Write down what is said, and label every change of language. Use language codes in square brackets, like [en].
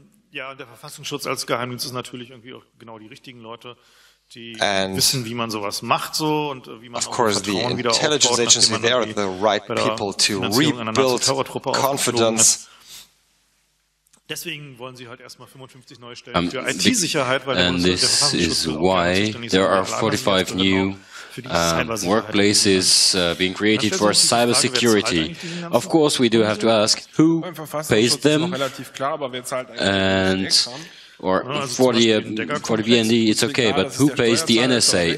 [de] Ja, der Verfassungsschutz als Geheimdienst ist natürlich irgendwie auch genau die richtigen Leute, die wissen, wie man sowas macht so und wie man [en] of course the intelligence agency, they are the right people to rebuild confidence. [de] Deswegen wollen sie halt erstmal 55 neue Stellen für IT-Sicherheit, weil [en] and this is why there are 45 new workplaces being created for cyber security. Of course, we do have to ask, who pays them? And or for the BND, it's okay, but who pays the NSA?